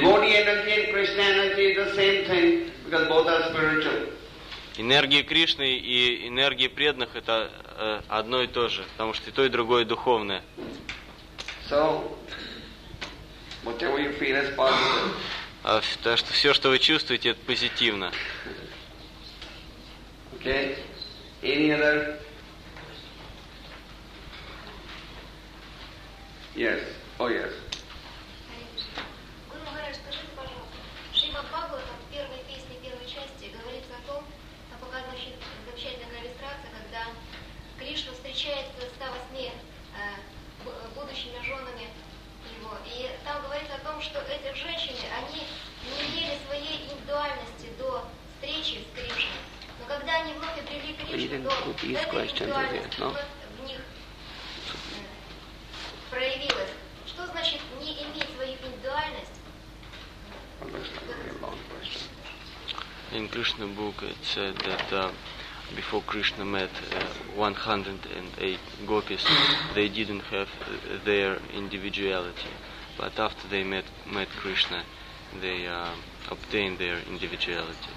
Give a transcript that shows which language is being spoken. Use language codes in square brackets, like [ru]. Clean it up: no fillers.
[en] Devotee energy and Krishna energy is the same thing because both are spiritual. [ru] Энергия Кришны и энергия преданных — это одно и то же, потому что и то, и другое духовное. [en] So, whatever you feel is positive. Так что все, что вы чувствуете, это позитивно. Okay. Any other? Yes. Oh, yes. [ru] Гуру Махарадж, скажите, пожалуйста, Шрима Бхагаватам в первой песне, первой части говорится о том, о показывающей замечательной иллюстрации, когда Кришна встречается с тавасми, будущими женами его. И там говорится о том, что эти женщины, они не имели своей индивидуальности до встречи с Кришной. Но когда они вновь обрели Кришну, то эта индивидуальность в них проявилась. Что значит не иметь свою индивидуальность? [en] In Krishna book it said that before Krishna met 108 gopis, they didn't have their individuality. But after they met Krishna, they obtain their individuality.